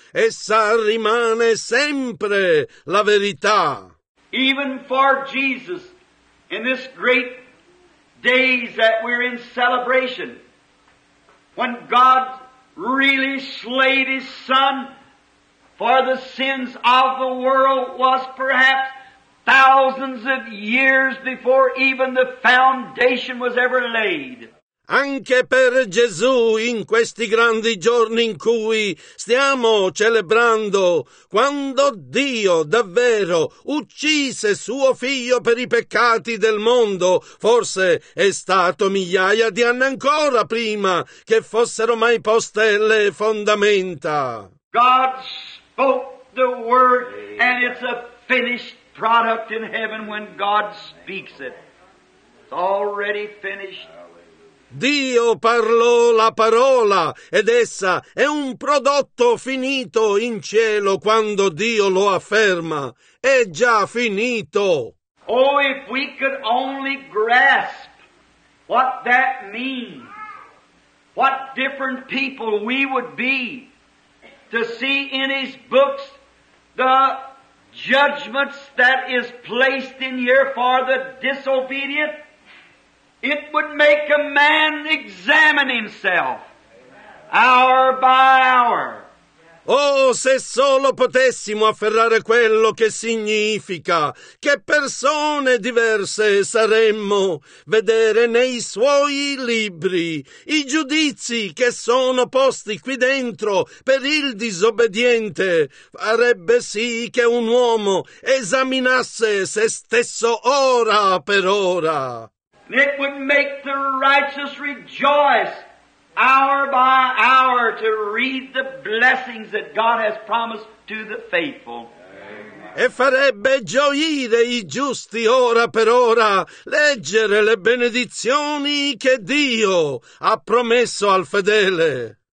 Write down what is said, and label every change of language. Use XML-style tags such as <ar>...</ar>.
<it>Essa rimane sempre la verità.</it> <en>Even for Jesus, in this great days that we're in celebration, when God really slayed his son for the sins of the world, was perhaps thousands of years before even the foundation was ever laid.</en> <it>Anche per Gesù, in questi grandi giorni in cui stiamo celebrando, quando Dio davvero uccise suo figlio per i peccati del mondo, forse è stato migliaia di anni ancora prima che fossero mai poste le fondamenta.</it> <en>God spoke the word and it's a finished product in heaven when God speaks it. It's already finished.</en> <it>Dio parlò la parola ed essa è un prodotto finito in cielo quando Dio lo afferma. È già finito.</it> <en>Oh, if we could only grasp what that means, what different people we would be to see in his books the judgments that is placed in here for the disobedient. It would make a man examine himself, hour by hour.</en> <it>Oh, se solo potessimo afferrare quello che significa, che persone diverse saremmo, vedere nei suoi libri i giudizi che sono posti qui dentro per il disobbediente, farebbe sì che un uomo esaminasse se stesso ora per ora.</it> <en>It would make the righteous rejoice hour by hour to read the blessings that God has promised to the faithful.</en> <it>E farebbe gioire i giusti ora per ora leggere le benedizioni che Dio ha promesso al fedele.</it>